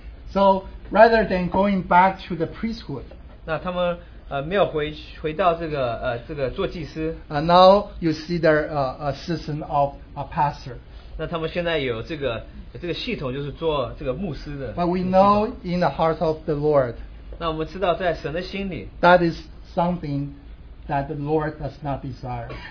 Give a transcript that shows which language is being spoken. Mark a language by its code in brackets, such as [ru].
[en] So rather than going back to the priesthood, [zh] 那他们没有回到这个做祭司, [en] now you see their system of a pastor. [zh] 那他们现在有这个系统就是做这个牧师的, [en] but we know in the heart of the Lord, that is something that the Lord does not desire.